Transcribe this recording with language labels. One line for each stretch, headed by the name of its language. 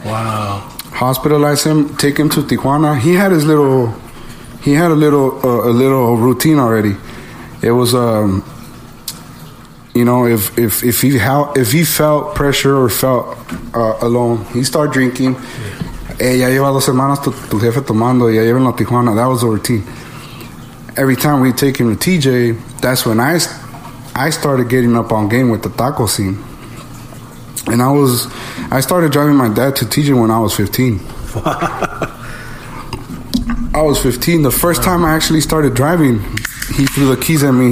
English: Wow. Hospitalize him, take him to Tijuana. He had his little, he had a little routine already. It was, you know, if he felt pressure or felt alone, he started drinking. Yeah.
Spanish: Hey, ya lleva dos semanas tu jefe tomando, ya lleva en la Tijuana.
English: That was the routine. Every time we take him to TJ, that's when I started getting up on game with the taco scene. And I started driving my dad to TJ when I was 15. I was 15. The first time I actually started driving, he threw the keys at me.